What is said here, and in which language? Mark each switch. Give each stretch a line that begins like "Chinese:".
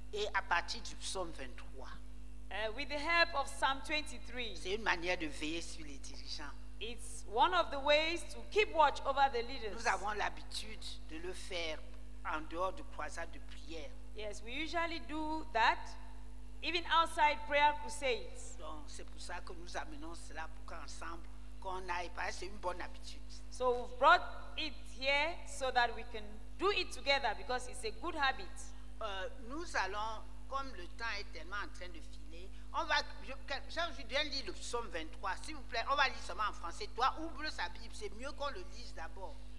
French: Et à partir du psaume 23.
English: With the help of Psalm 23.
French: C'est une manière de veiller sur les dirigeants.
English: It's one of the ways to keep watch over the leaders.
French: Nous avons l'habitude de le faire en dehors de croisades de prière.
English: Yes, we usually do that. Even outside prayer crusades.
French: Donc, c'est pour ça que nous amenons cela pour qu'ensemble qu'on aille parce que c'est une bonne habitude.
English: So we've brought it here so that we can do it together because it's a good habit.
French: Nous allons, comme le temps est tellement en train de filer, on va, je viens lire le psaume 23, s'il vous plaît, on va lire seulement en français. Toi, ouvre sa Bible, c'est mieux qu'on le lise d'abord.